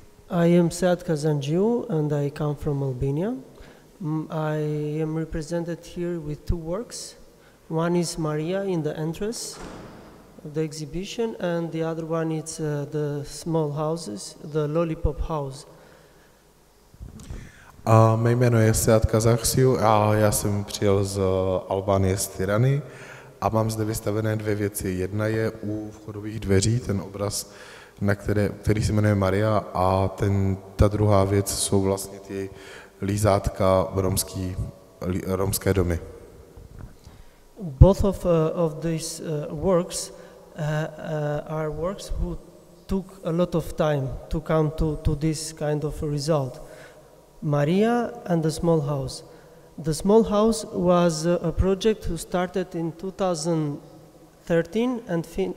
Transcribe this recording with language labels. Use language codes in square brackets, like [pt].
[en] I am Sadka Zanjiu and I come from Albania. I am represented here with two works. One is Maria in the entrance of the exhibition and the other one is the small houses, the lollipop house. [cs] Mé jméno je Sadka Zanjiu a já jsem přijel z Albánie z Tirany. A mám zde vystavené dvě věci. Jedna je u vchodových dveří, ten obraz, který se jmenuje Maria, a ta druhá věc jsou vlastně ty lízátka romské domy. [en] Both of these works are works who took a lot of time to come to this kind of a result. Maria and the small house. The small house was a project who started in 2013 and